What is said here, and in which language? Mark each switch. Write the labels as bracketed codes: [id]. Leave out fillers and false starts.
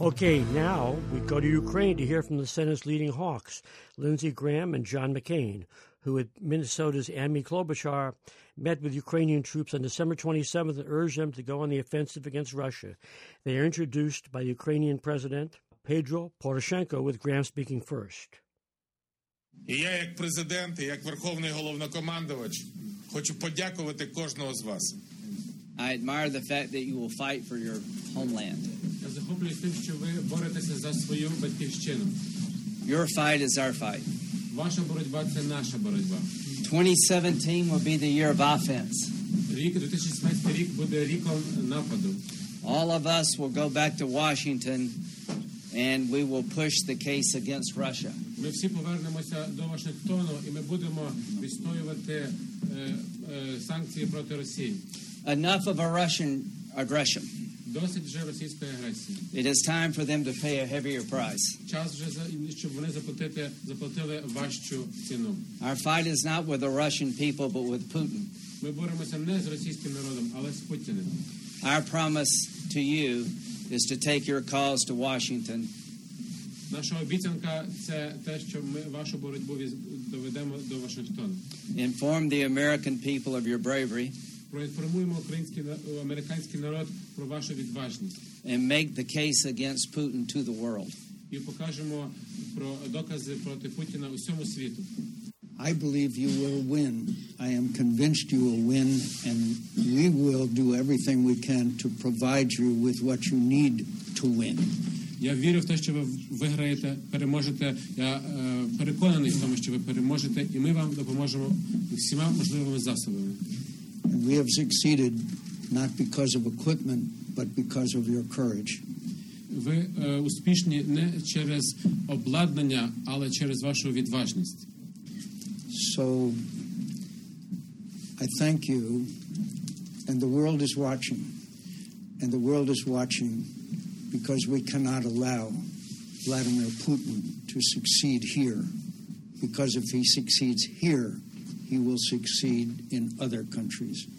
[en] Okay, now we go to Ukraine to hear from the Senate's leading hawks, Lindsey Graham and John McCain, who at Minnesota's Amy Klobuchar met with Ukrainian troops on December 27th and urged them to go on the offensive against Russia. They are introduced by Ukrainian President Pedro Poroshenko, with Graham speaking first. [uk] Я як президент і як верховний головнокомандувач хочу подякувати кожного з вас. [en] I admire the fact that you will fight for your homeland. [uk] Я захоплююсь тим, що ви боретеся за свою батьківщину. [en] Your fight is our fight. [uk] Ваша боротьба – це наша боротьба. [en] 2017 will be the year of offense. [uk] Рік 2017 рік буде роком нападу. [en] All of us will go back to Washington and we will push the case against Russia. [uk] Ми всі повернемося до Вашингтону і ми будемо відстоювати санкції проти Росії. [en] Enough of a Russian aggression. [uk] Досить вже російської агресії. [en] It is time for them to pay a heavier price. [uk] Час вже за щоб вони заплатили важчу ціну. [en] Our fight is not with the Russian people but with Putin. [uk] Ми боремося не з російським народом, але з Путіним. [en] Our promise to you is to take your calls to Washington. [uk] Наша обіцянка це те, що ми вашу боротьбу доведемо до Вашингтону. [en] Inform the American people of your bravery. [uk] Проінформуємо американський народ про вашу відважність. [en] And make the case against Putin to the world. [uk] І покажемо про докази проти Путіна усьому світу. [en] I believe you will win. I am convinced you will win, and we will do everything we can to provide you with what you need to win. [uk] Я вірю в те, що ви виграєте, переможете. Я переконаний в тому, що ви переможете, і ми вам допоможемо всіма можливими засобами. [en] And we have succeeded not because of equipment, but because of your courage. [uk] Ви успішні не через обладнання, але через вашу відважність. [en] So I thank you, and the world is watching, and the world is watching because we cannot allow Vladimir Putin to succeed here, because if he succeeds here, he will succeed in other countries.